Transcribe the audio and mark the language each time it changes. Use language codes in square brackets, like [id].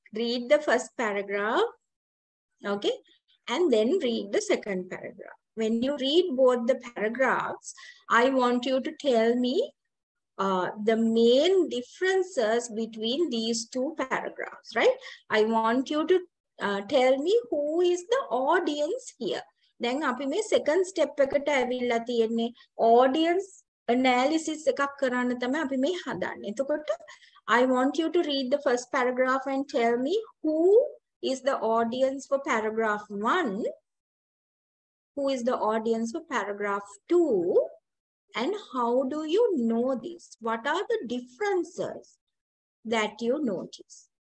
[en] Read the first paragraph, okay? And then read the second paragraph. when you read both the paragraphs, I want you to tell me the main differences between these two paragraphs, right? I want you to tell me who is the audience here. [si] Then අපි මේ second step එකට ඇවිල්ලා තියෙන්නේ audience analysis එකක් කරන්න තමයි අපි මේ හදන්නේ. [en] එතකොට I want you to read the first paragraph and tell me who is the audience for paragraph 1, who is the audience for paragraph 2, and how do you know this? What are the differences that you notice?